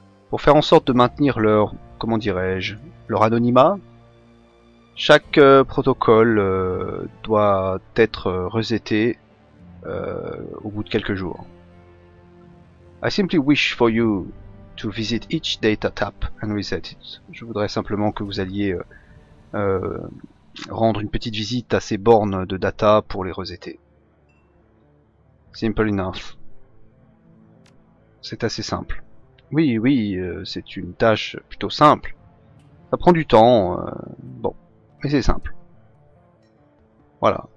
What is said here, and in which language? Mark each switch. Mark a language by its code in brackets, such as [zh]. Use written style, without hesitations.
[fr] Pour faire en sorte de maintenir leur, comment dirais-je, leur anonymat, chaque protocole doit être reseté au bout de quelques jours. [en] I simply wish for you to visit each data tap and reset it. [fr] Je voudrais simplement que vous alliez rendre une petite visite à ces bornes de data pour les resetter. [en] Simple enough. [fr] C'est assez simple. Oui, c'est une tâche plutôt simple. Ça prend du temps, bon, mais c'est simple. Voilà.